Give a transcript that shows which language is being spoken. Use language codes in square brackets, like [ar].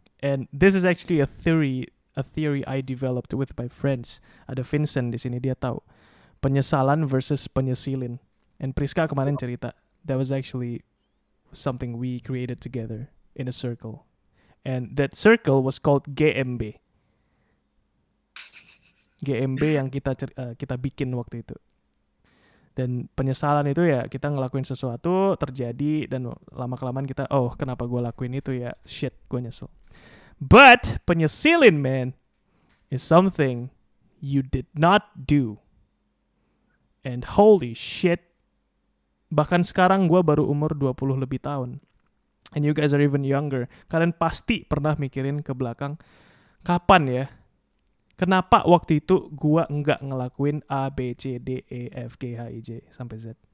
[en] And this is actually a theory I developed with my friends. [id] Ada Vincent di sini, dia tahu. Penyesalan versus penyesilin. [en] And [id] Priska kemarin cerita, [en] that was actually something we created together in a circle. And that circle was called GMB. [id] GMB yang kita bikin waktu itu. Dan penyesalan itu ya kita ngelakuin sesuatu, terjadi, dan lama-kelamaan kita, oh kenapa gue lakuin itu ya, shit, gue nyesel. [en] But penyesilin, man, is something you did not do. And holy shit, [id] bahkan sekarang gue baru umur 20 lebih tahun. [en] And you guys are even younger. [id] Kalian pasti pernah mikirin ke belakang, kapan ya? Kenapa waktu itu gua enggak ngelakuin A, B, C, D, E, F, G, H, I, J, sampai Z?